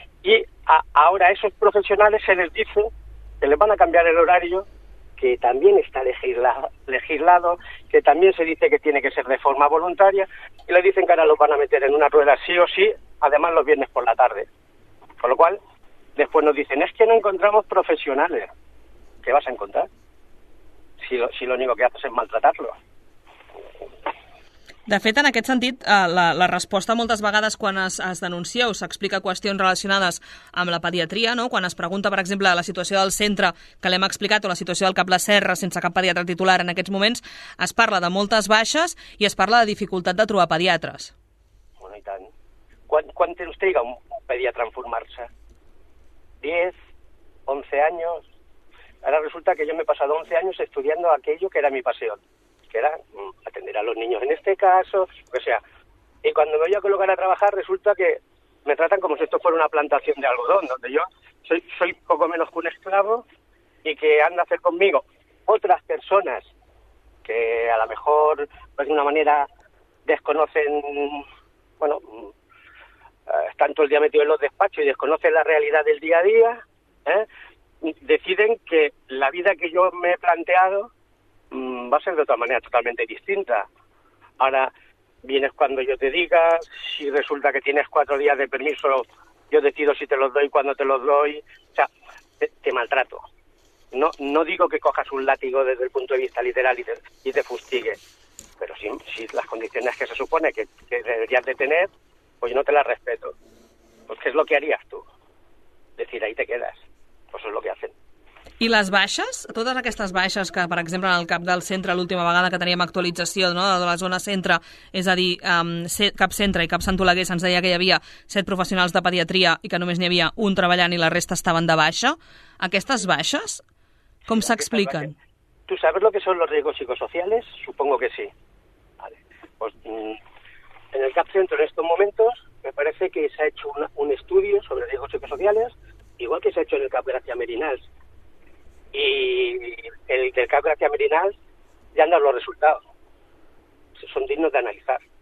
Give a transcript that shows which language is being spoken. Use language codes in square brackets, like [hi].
[es] Y ahora a esos profesionales se les dice que le van a cambiar el horario, que también está legislado, que también se dice que tiene que ser de forma voluntaria, y le dicen que ahora lo van a meter en una rueda sí o sí, además los viernes por la tarde. Con lo cual, después nos dicen, es que no encontramos profesionales. ¿Qué vas a encontrar? Si lo único que haces es maltratarlo. [ca] De fet, en aquest sentit, la resposta moltes vegades quan es denuncia o s'explica qüestions relacionades amb la pediatria, no? Quan es pregunta, per exemple, la situació del centre que l'hem explicat o la situació del Cap La Serra sense cap pediatre titular en aquests moments, es parla de moltes baixes i es parla de dificultat de trobar pediatres. Bueno, i tant. Quant temps triga un pediatre en formar-se? 10? 11 anys? Ara resulta que jo m'he passat 11 anys estudiant [es] aquello que era mi passió. Que era atender a los niños en este caso, o sea, y cuando me voy a colocar a trabajar resulta que me tratan como si esto fuera una plantación de algodón, donde yo soy poco menos que un esclavo y que han de hacer conmigo otras personas que a lo mejor pues de una manera desconocen, bueno, están todo el día metidos en los despachos y desconocen la realidad del día a día, deciden que la vida que yo me he planteado va a ser de otra manera totalmente distinta. Ahora vienes cuando yo te diga, si resulta que tienes 4 días de permiso, yo decido si te los doy, cuando te los doy. O sea, te maltrato. No digo que cojas un látigo desde el punto de vista literal y te fustigue, pero si las condiciones que se supone que deberías de tener, pues yo no te las respeto. Pues ¿qué es lo que harías tú? Decir, ahí te quedas. Pues eso es lo que hacen. [ca] I les baixes? Totes aquestes baixes que, per exemple, en el cap del centre, l'última vegada que teníem actualització, no?, de la zona centre, és a dir, cap centre i cap Sant Oleguer, se'ns deia que hi havia 7 professionals de pediatria i que només n'hi havia un treballant i la resta estaven de baixa. Aquestes baixes, com s'expliquen? [es] ¿Tú sabes lo que son los riesgos psicosociales? Supongo que sí. Vale. Pues, en el cap centre, en estos momentos, me parece que se ha hecho un estudio sobre riesgos psicosociales, igual que se ha hecho en el cap Gracia Merinals. y el del CAP Gracia Merinal ya han dado los resultados. Son dignos de analizar.